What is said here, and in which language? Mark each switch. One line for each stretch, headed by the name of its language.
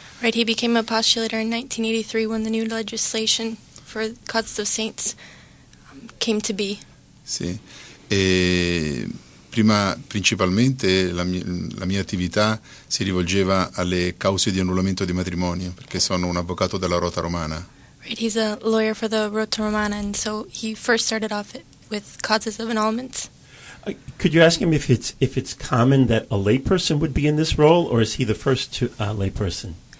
English: Right, he became a postulator in 1983 when the new legislation for causes of saints came to be.
Italian: Sì, prima principalmente la mia attività si rivolgeva alle cause di annullamento di matrimonio, perché sono un avvocato della Rota Romana.
English: Right, he's a lawyer for the Rota Romana, and so he first started off with causes of annulments. Could you ask him if it's common that a layperson would be in this role, or is he the first to layperson?